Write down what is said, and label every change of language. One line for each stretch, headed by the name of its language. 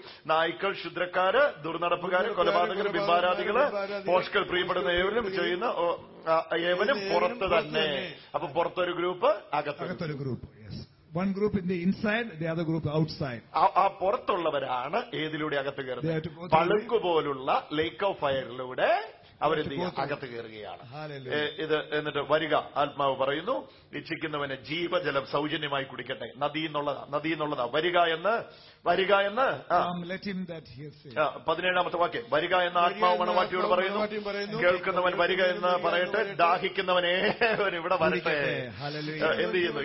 Malayalam: നായ്ക്കൾ ശുദ്രക്കാര്, ദുർനടപ്പുകാര്, കൊലപാതകർ, ബിംബാരാധികള്, പോഷകൾ പ്രിയപ്പെടുന്ന ഏവരും ചെയ്യുന്ന ഏവനും പുറത്ത് തന്നെ. അപ്പൊ പുറത്തൊരു ഗ്രൂപ്പ്, അകത്തൊരു group.
English: One group in the inside, the other group outside.
Malayalam: ആ പുറത്തുള്ളവരാണ് ഏതിലൂടെ അകത്ത് കയറുന്നത്? പളുങ്കു പോലുള്ള ലേക്ക് ഓഫ് ഫയറിലൂടെ അവരെന്ത് ചെയ്യുക? അകത്ത് കയറുകയാണ്. ഇത് എന്നിട്ട് വരിക, ആത്മാവ് പറയുന്നു, ഇച്ഛിക്കുന്നവന് ജീവജലം സൗജന്യമായി കുടിക്കട്ടെ. നദിയിൽ നിന്നുള്ളതാ വരിക എന്ന് 17 വാക്യം, വരിക എന്ന് ആത്മാവ് മണവാട്ടിയോട് പറയുന്നു, കേൾക്കുന്നവൻ വരിക എന്ന് പറയട്ടെ, ദാഹിക്കുന്നവനെ ഇവിടെ വരട്ടെ. എന്ത് ചെയ്യുന്നു?